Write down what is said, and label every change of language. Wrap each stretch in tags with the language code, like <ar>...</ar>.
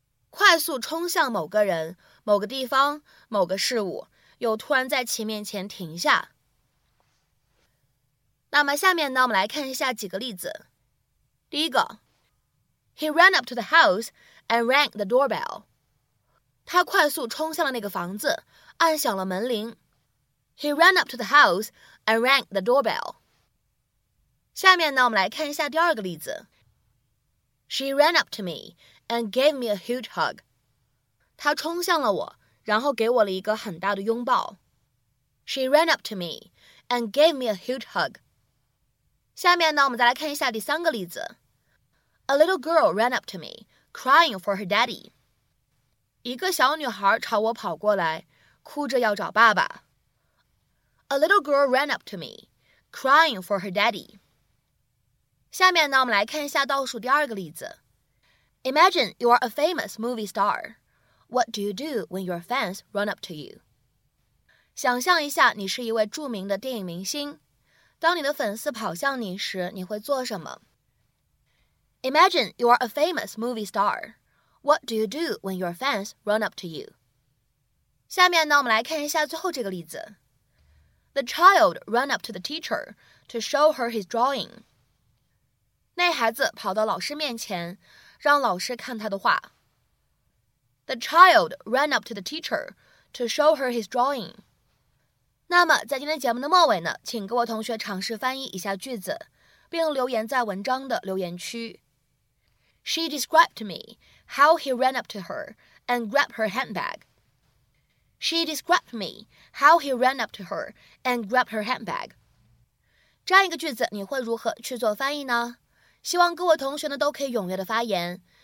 <zh>快速冲向某个人、某个地方、某个事物，又突然在其面前停下。那么下面呢，我们来看一下几个例子。第一个</zh> <en>，He ran up to the house and rang the doorbell.</en> <zh>他快速冲向了那个房子，按响了门铃。</zh> <en>He ran up to the house and rang the doorbell.</en> <zh>下面呢，我们来看一下第二个例子。</zh> <en>She ran up to me and gave me a huge hug.</en> <zh>她冲向了我，然后给我了一个很大的拥抱。</zh> <en>She ran up to me and gave me a huge hug.</en> <zh>下面呢，我们再来看一下第三个例子。</zh> <en>A little girl ran up to me, crying for her daddy.</en> <zh>一个小女孩朝我跑过来，哭着要找爸爸。</zh> <en>A little girl ran up to me, crying for her daddy.</en> <zh>下面呢，我们来看一下倒数第二个例子。</zh> <en>Imagine you are a famous movie star. What do you do when your fans run up to you?</en> <zh>想象一下，你是一位著名的电影明星。当你的粉丝跑向你时，你会做什么？</zh> <en>Imagine you are a famous movie star. What do you do when your fans run up to you?</en> <zh>下面呢，我们来看一下最后这个例子。</zh> <en>The child ran up to the teacher to show her his drawing.</en> <zh>那孩子跑到老师面前，让老师看他的画。</zh> <en>The child ran up to the teacher to show her his drawing.</en> <zh>那么在今天节目的末尾呢，请各位同学尝试翻译一下句子，并留言在文章的留言区。</zh> <en>She described to me how he ran up to her and grabbed her handbag. She described me, how he ran up to her and grabbed her handbag.</en> <zh>这样一个句子你会如何去做翻译呢？希望各位同学呢都可以踊跃的发言。</zh>